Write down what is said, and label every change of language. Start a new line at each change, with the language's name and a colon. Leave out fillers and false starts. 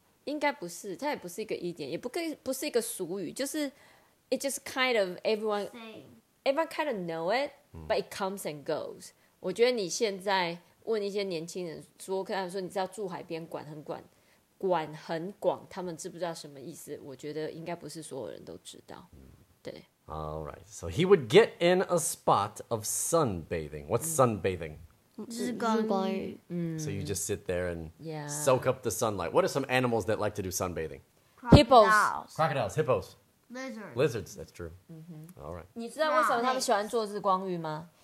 Chinese: 应该不是它也不是一个
English: idiom,
Chinese: 也 不是一个俗语就是
English: it just kind of everyone kind of know it, but it comes and goes.
Chinese: 我觉得你现在问一些年轻人说跟他们说你知道住海边管很广管很广，他们知不知道什么意思？我觉得应该不是所有人都知道。对。
English: All right. So he would get in a spot of sunbathing. What's sunbathing?
Chinese: 日光浴。
English: So you just sit there and soak up the sunlight. What are some animals that like to do sunbathing? Crocodiles. Crocodiles, hippos. Lizards. Lizards, that's true. All right.
Chinese: 你知道为什么他们喜欢做日光浴吗？